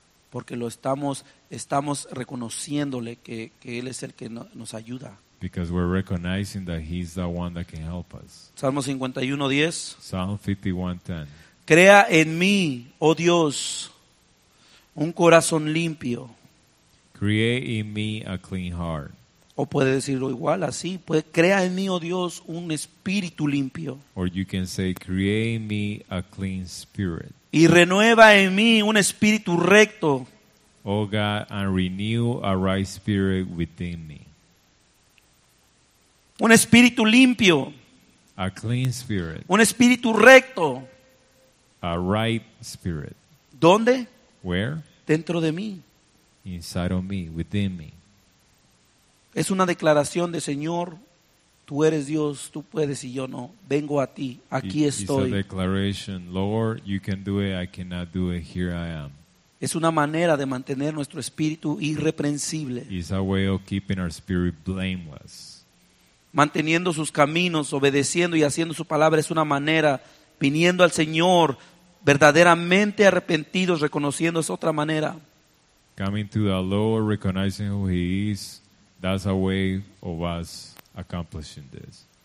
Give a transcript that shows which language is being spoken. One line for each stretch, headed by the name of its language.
Spanish: Porque lo estamos reconociéndole que Él es el que nos ayuda.
English: Because we're recognizing that He's the one that can help us.
Spanish: Salmo 51:10.
English: Psalm 51:10.
Spanish: Crea en mí, oh Dios, un corazón limpio.
English: Create in me a clean heart.
Spanish: O puede decirlo igual, así. Puede, crea en mí, oh Dios, un espíritu limpio.
English: Or you can say, create in me a clean spirit.
Spanish: Y renueva en mí un espíritu recto.
English: Oh God, and renew a right spirit within me.
Spanish: Un espíritu limpio.
English: A clean spirit.
Spanish: Un espíritu recto.
English: A right spirit.
Spanish: ¿Dónde?
English: Where?
Spanish: Dentro de mí.
English: Inside of me, within me.
Spanish: Es una declaración de Señor. Tú eres Dios, tú puedes y yo no. Vengo a ti, aquí estoy.
English: It's a declaration. Lord, you can do it, I cannot do it, here I am.
Spanish: Es una manera de mantener nuestro espíritu irreprensible.
English: It's a way of keeping our spirit blameless.
Spanish: Manteniendo sus caminos, obedeciendo y haciendo su palabra es una manera, viniendo al Señor, verdaderamente arrepentidos, reconociendo es otra manera.
English: Coming to the Lord, recognizing who He is, that's a way of us accomplishing this.